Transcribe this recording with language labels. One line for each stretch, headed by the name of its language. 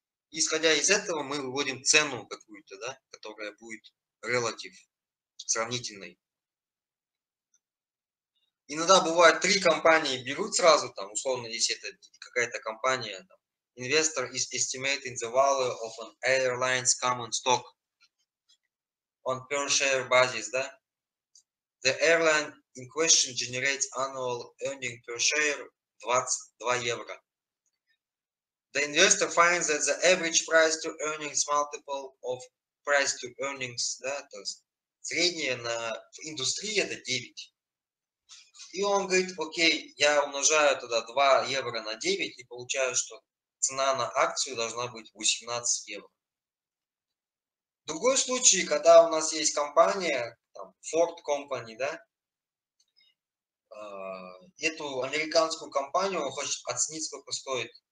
Russian: Исходя из этого, мы выводим цену какую-то, да, которая будет relative, сравнительной. Иногда бывает, три компании берут сразу, там, условно, если это какая-то компания, там,
English: investor is estimating the value of an airline's common stock on per share basis, да? The airline in question generates annual earning per share 22 евро. The investor finds that the average price to earnings multiple of price to earnings,
Russian: да, то есть среднее на, в индустрии это 9. И он говорит, окей, я умножаю тогда 2 евро на 9 и получаю, что цена на акцию должна быть 18 евро. В другой случай, когда у нас есть компания, там, Ford Company, да, эту американскую компанию он хочет оценить, сколько стоит.